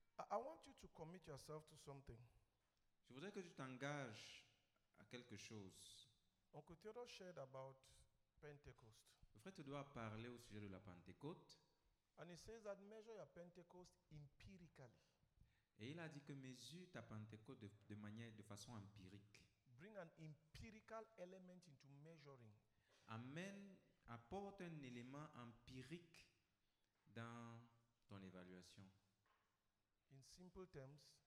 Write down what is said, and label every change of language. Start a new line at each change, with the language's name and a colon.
English: I want you to commit yourself to something.
French: Je voudrais que tu t'engages à quelque chose.
English: Uncle Theodore shared about Pentecost.
French: Le frère Théodore a parlé au sujet de la Pentecôte.
English: And he says that measure your Pentecost empirically.
French: Et il a dit que mesure ta Pentecôte de manière, de façon empirique.
English: Bring an empirical element into measuring.
French: Amène, apporte un élément empirique dans ton évaluation.
English: In simple terms,